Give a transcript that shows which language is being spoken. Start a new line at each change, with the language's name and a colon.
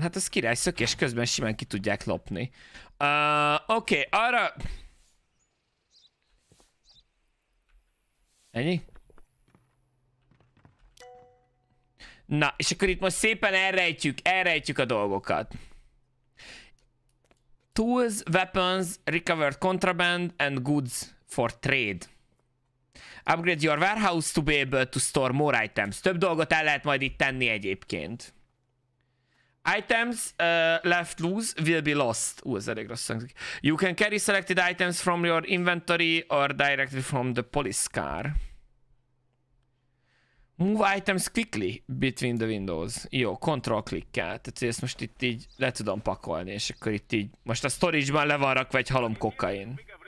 Hungarian: Hát ez király szökés, közben simán ki tudják lopni. Oké, arra... Ennyi? Na, és akkor itt most szépen elrejtjük a dolgokat.
English: Tools, weapons, recovered contraband and goods for trade. Upgrade your warehouse to be able to store more items.
Hungarian: Több dolgot el lehet majd itt tenni egyébként.
English: Items left loose will be lost.
Hungarian: Ú, ez elég rossz hangzik.
English: You can carry selected items from your inventory or directly from the police car. Move items quickly between the windows.
Hungarian: Jó, control klikkel. Tehát ezt most itt így le tudom pakolni, és akkor itt így... Most a storage-ban le van rakva egy halom kokain.